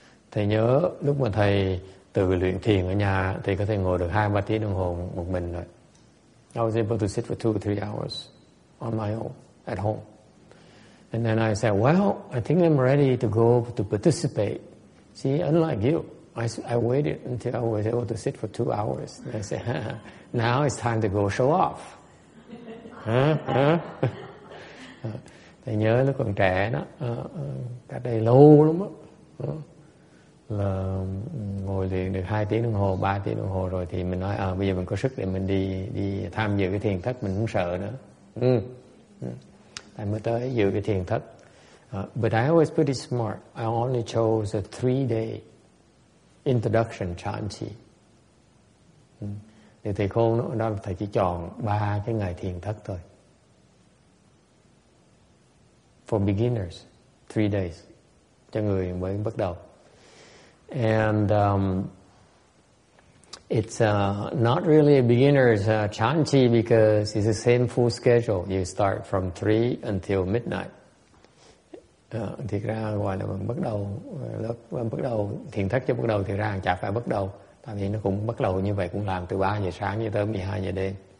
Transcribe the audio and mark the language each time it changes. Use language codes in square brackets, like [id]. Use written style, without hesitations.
[vi] Thầy nhớ lúc mà thầy tự luyện thiền ở nhà, thầy có thể ngồi được 2-3 tiếng đồng hồ một mình rồi. [en] I was able to sit for 2-3 hours on my own at home. And then I said, well, I think I'm ready to go to participate. See, unlike you, I waited until I was able to sit for 2 hours. And I said, now it's time to go show off. [vi] Thầy nhớ lúc còn trẻ đó, cách đây lâu lắm á. Là ngồi luyện được 2 tiếng đồng hồ, 3 tiếng đồng hồ rồi thì mình nói bây giờ mình có sức để mình đi tham dự cái thiền thất, mình không sợ nữa. Tại mới tới dự cái thiền thất. [en] But I was pretty smart. I only chose a 3-day introduction chanchi. [vi] Thì thầy cô đó là thầy chỉ chọn 3 cái ngày thiền thất thôi. [en] For beginners, 3 days. [vi] Cho người mới bắt đầu. [en] And It's not really a beginner's chan chi because it's the same full schedule. You start from 3 until midnight. [vi] Thì ra gọi là bắt đầu lớp bắt đầu thiền thất cho bắt đầu thì ra hàng chạp phải bắt đầu. Tại vì nó cũng bắt đầu như vậy cũng làm từ 3 giờ sáng cho tới 12 giờ đêm.